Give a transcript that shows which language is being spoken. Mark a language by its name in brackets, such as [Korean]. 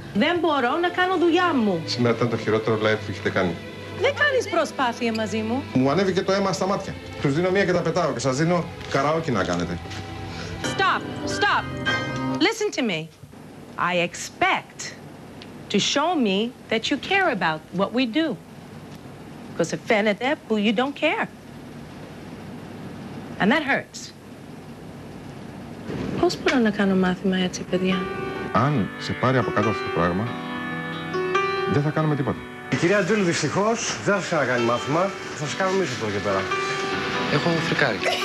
[Greek] Δεν μπορώ να κάνω δουλειά μου. Σήμερα ήταν το χειρότερο live που έχετε κάνει. Δεν κάνεις προσπάθεια μαζί μου. Μου ανέβηκε το αίμα στα μάτια. Τους δίνω μία και τα πετάω και σας δίνω καραόκι να κάνετε. [English] Stop, stop. Listen to me. I expect to show me that you care about what we do. Because [Greek] φαίνεται που [English] you don't care. And that hurts. [Greek] Πώς μπορώ να κάνω μάθημα έτσι, παιδιά? Αν σε πάρει από κάτω αυτό το πράγμα, δεν θα κάνουμε τίποτα. Η κυρία Τζούλη δυστυχώς δεν θα κάνει μάθημα. Θα σε κάνω εμείς από εδώ και πέρα. Έχω φρικάρει.